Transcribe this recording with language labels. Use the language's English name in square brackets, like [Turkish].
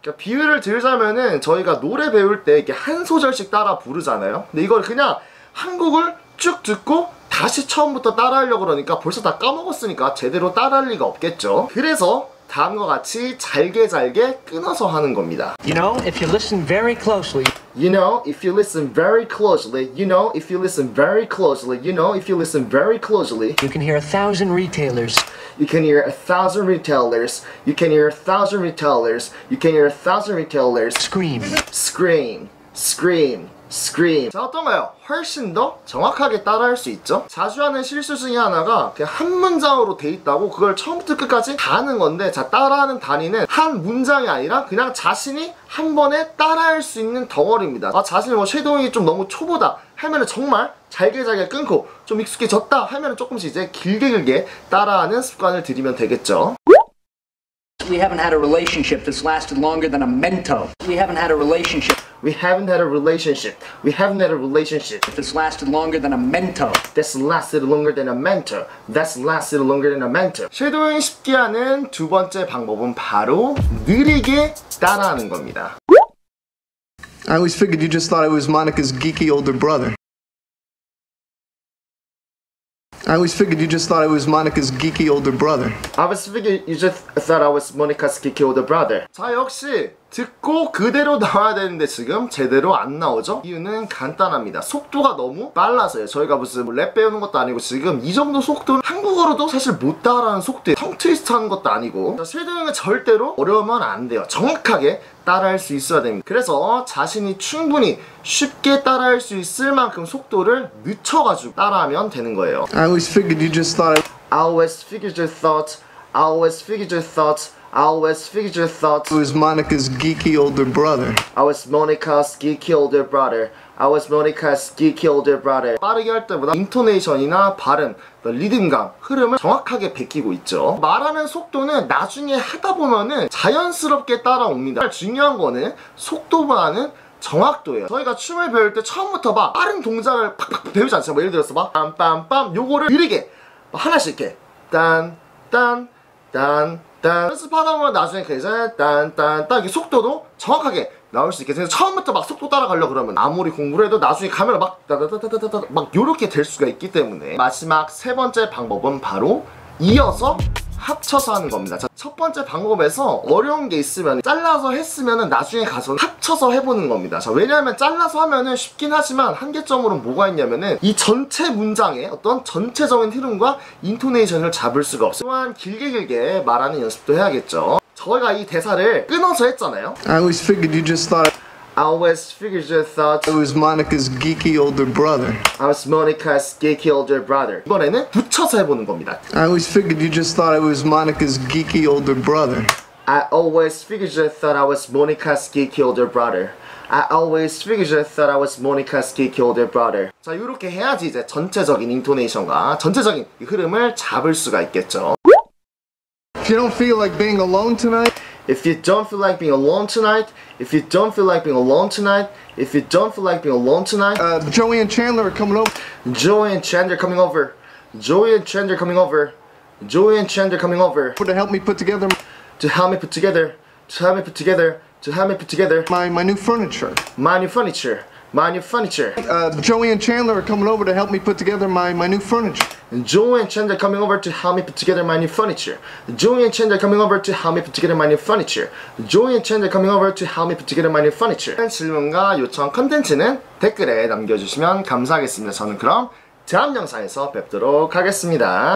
[Korean] 그러니까 비유를 들자면은 저희가 노래 배울 때 이렇게 한 소절씩 따라 부르잖아요. 근데 이걸 그냥 한국을 쭉 듣고 다시 처음부터 따라하려고 그러니까 벌써 다 까먹었으니까 제대로 따라할 리가 없겠죠. 그래서 다음과 같이 잘게 잘게 끊어서 하는 겁니다. [English] You know, if you listen very closely. You know, if you listen very closely. You know, if you listen very closely. You know, if you listen very closely. You can hear a thousand retailers. You can hear a thousand retailers. You can hear a thousand retailers. You can hear a thousand retailers. Scream. Scream. Scream. Scream. [Korean] 자, 어떤가요? 훨씬 더 정확하게 따라할 수 있죠? 자주 하는 실수 중에 하나가 그냥 한 문장으로 돼 있다고 그걸 처음부터 끝까지 다 하는 건데 자, 따라하는 단위는 한 문장이 아니라 그냥 자신이 한 번에 따라할 수 있는 덩어리입니다. 아, 자신이 뭐 쉐도잉이 좀 너무 초보다 하면은 정말 잘게 잘게 끊고 좀 익숙해졌다 하면은 조금씩 이제 길게 길게 따라하는 습관을 들이면 되겠죠? [English] We haven't had a relationship that's lasted longer than a mento. We haven't had a relationship. We haven't had a relationship. We haven't had a relationship. That's lasted longer than a mento. That's lasted longer than a mento. That's lasted longer than a mento. [Korean] 쉐도잉 쉽게 하는 두 번째 방법은 바로 느리게 따라하는 겁니다. [English] I always figured you just thought I was Monica's geeky older brother. I always figured you just thought I was Monica's geeky older brother. I always figured you just thought I was Monica's geeky older brother. [Korean] 자, 역시 듣고 그대로 나와야 되는데 지금 제대로 안 나오죠? 이유는 간단합니다. 속도가 너무 빨라서요. 저희가 무슨 랩 배우는 것도 아니고 지금 이 정도 속도는 한국어로도 사실 못 따라하는 속도에 텅 트위스트 하는 것도 아니고 쉐도잉은 절대로 어려우면 안 돼요. 정확하게 따라할 수 있어야 됩니다. 그래서 자신이 충분히 쉽게 따라할 수 있을 만큼 속도를 늦춰가지고 따라하면 되는 거예요. [English] I always figured you just thought I always figured you thought I always figured you thought I always figured your thoughts. I was Monica's geeky older brother. I was Monica's geeky older brother. I was Monica's geeky older brother. [Korean] 빠르게 할 때보다 인토네이션이나 발음, 리듬감, 흐름을 정확하게 베끼고 있죠. 말하는 속도는 나중에 하다 보면은 자연스럽게 따라옵니다. 중요한 거는 속도보다는 정확도예요. 저희가 춤을 배울 때 처음부터 막 빠른 동작을 팍팍 배우지 않죠? 뭐 예를 들어서 막 빰빰빰 요거를 느리게 하나씩 이렇게 딴, 딴, 딴 딴. 연습하다 보면 나중에 굉장히 딴딴딴 이게 속도도 정확하게 나올 수 있겠어요. 처음부터 막 속도 따라가려고 그러면 아무리 공부를 해도 나중에 가면 막 따다다다다다 막 요렇게 될 수가 있기 때문에 마지막 세 번째 방법은 바로 이어서 합쳐서 하는 겁니다. 자, 첫 번째 방법에서 어려운 게 있으면 잘라서 했으면 나중에 가서 합쳐서 해보는 겁니다. 자, 왜냐하면 잘라서 하면 쉽긴 하지만 한계점으로는 뭐가 있냐면 이 전체 문장의 어떤 전체적인 흐름과 인토네이션을 잡을 수가 없어요. 또한 길게 길게 말하는 연습도 해야겠죠. 저희가 이 대사를 끊어서 했잖아요. [English] I always figured you just thought I always figured you thought I was Monica's geeky older brother. I was Monica's geeky older brother. [Korean] 이번에는 붙여서 해보는 겁니다. [English] I always figured you just thought I was Monica's geeky older brother. I always figured you thought I was Monica's geeky older brother. I always figured you thought I was Monica's geeky older brother. [Korean] 자, 이렇게 해야지 이제 전체적인 인토네이션과 전체적인 이 흐름을 잡을 수가 있겠죠. [English] If you don't feel like being alone tonight. If you don't feel like being alone tonight, if you don't feel like being alone tonight, if you don't feel like being alone tonight, Joey and Chandler are coming over. Joey and Chandler coming over. Joey and Chandler coming over. Joey and Chandler coming over. To help me put together. To help me put together. To help me put together. To help me put together. My new furniture. My new furniture. my new furniture. Joey and Chandler are coming over to help me put together my new furniture. Joey and Chandler are coming over to help me put together my new furniture. Joey and Chandler are coming over to help me put together my new furniture. Joey and Chandler are coming over to help me put together my new furniture. [Korean] 질문과 요청 컨텐츠는 댓글에 남겨주시면 감사하겠습니다. 저는 그럼 다음 영상에서 뵙도록 하겠습니다.